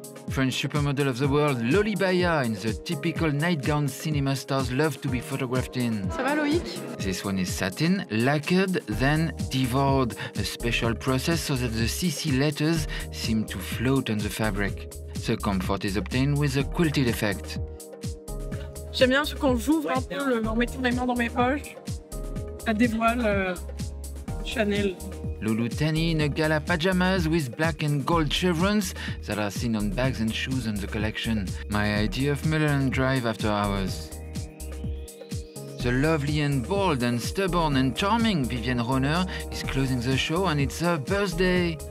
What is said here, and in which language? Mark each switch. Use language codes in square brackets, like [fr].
[en] French supermodel of the world, Loli Baya, in the typical nightgown cinema stars love to be photographed in. [fr] Ça va, Loïc? [en] This one is satin, lacquered, then devoured. A special process so that the CC letters seem to float on the fabric. The comfort is obtained with a quilted effect. [fr] J'aime bien ce qu'on j'ouvre un peu, en mettant mes mains dans mes poches, ça dévoile Chanel. [en] Lulu Tenny in a gala pajamas with black and gold chevrons that are seen on bags and shoes in the collection. My idea of Miller and Drive after hours. The lovely and bold and stubborn and charming Vivienne Rohner is closing the show and it's her birthday.